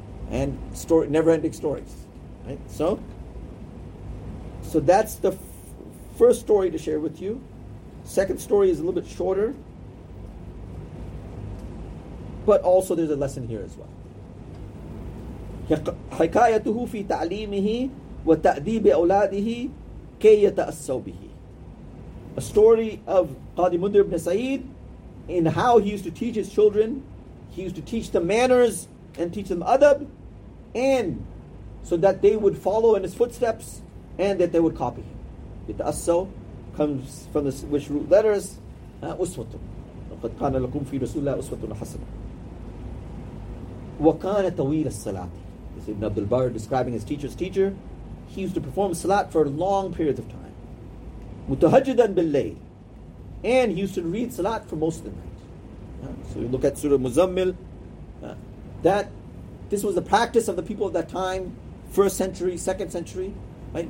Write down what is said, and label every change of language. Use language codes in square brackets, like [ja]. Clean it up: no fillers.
[en] And story, never-ending stories. Right? So that's the first story to share with you. Second story is a little bit shorter, but also there's a lesson here as well. [ar] حكايته في تعليمه وتأديب أولاده كي يتأسوا به. [en] A story of Qadi Mundhir ibn Sa'id in how he used to teach his children. He used to teach them manners and teach them adab, and so that they would follow in his footsteps and that they would copy him. يتأسوا comes from the which root letters? [ar] Uswatun. وقد كان لكم في رسول الله أسوة حسنة. وكان طويل الصلاة. [en] Ibn Abdul Barr describing his teacher's teacher, he used to perform salat for long periods of time. [ar] Mutahajjidan billayl. [en] And he used to read salat for most of the night. So you look at Surah Muzammil, that this was the practice of the people of that time, first century, second century, right?